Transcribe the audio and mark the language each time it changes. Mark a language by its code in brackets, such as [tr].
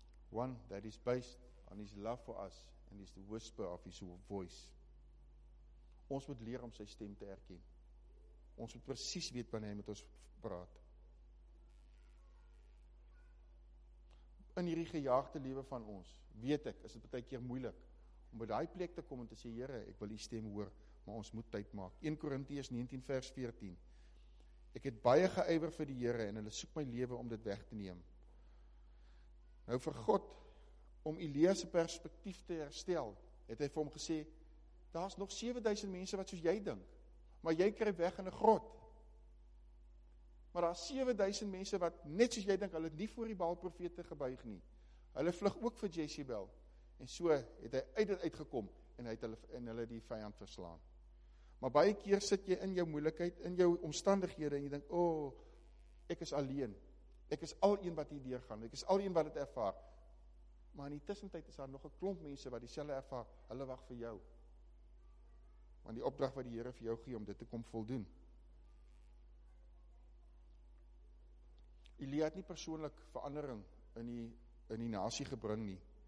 [en] One that is based on His love for us and is the whisper of His voice. [af] Ons moet leer om sy stem te erken. Ons moet precies weet wanneer hy met ons praat. In hierdie gejaagde lewe van ons, weet ek, is dit baie keer moeilik om by die plek te kom en te sê, Here, ek wil die stem hoor, maar ons moet tyd maak. 1 Korintiërs 19 vers 14. Ek het baie geëiwer vir die Here en hulle soek my lewe om dit weg te neem. Nou vir God, om Elia se perspektief te herstel, het hy vir hom gesê, daar is nog 7000 mense wat soos jy dink, maar jy kry weg in 'n grot. Maar daar is 7000 mense wat, net soos jy dink, hulle het nie voor die Baal-profete gebuig nie. Hulle vlug ook vir Jezebel. En so het hy uit dit uitgekom en hy het hulle, en hulle die vijand verslaan. Maar baie keer sit jy in jou moeilikheid, in jou omstandighede en jy dink, oh, ek is alleen. Ek is al een wat hier deurgaan. Ek is al een wat dit ervaar. Maar in die tussentijd is daar nog 'n klomp mense wat dieselfde ervaar. Hulle wag vir jou. Want die opdrag wat die Here vir jou gee om dit te kom voldoen. Elia het nie persoonlik verandering in die nasie gebring nie.